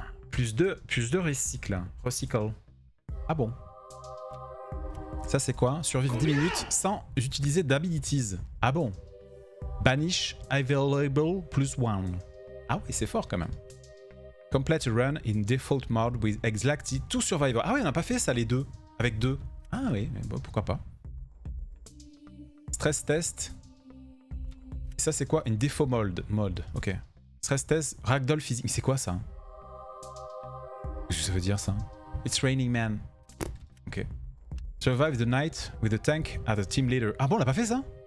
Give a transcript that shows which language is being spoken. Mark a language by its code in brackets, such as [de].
[fr] Plus de recycle. Recycle. Ah bon. Ça c'est quoi? Survivre 10 minutes sans utiliser d'abilities. Ah bon? [en] Banish available plus 1. [fr] Ah oui, c'est fort quand même. [en] Complete run in default mode with exactly two survivors. [fr] Ah oui, on n'a pas fait ça les deux. Avec deux. Ah oui, mais bon, pourquoi pas. Stress test. Ça c'est quoi? Une default mode. Ok. Stress test, ragdoll physique. Mais c'est quoi ça? Qu'est-ce que ça veut dire ça? [en] It's raining man. Ok. Survive the night with the tank as a team leader. [fr] Ah bon, on l'a pas fait ça?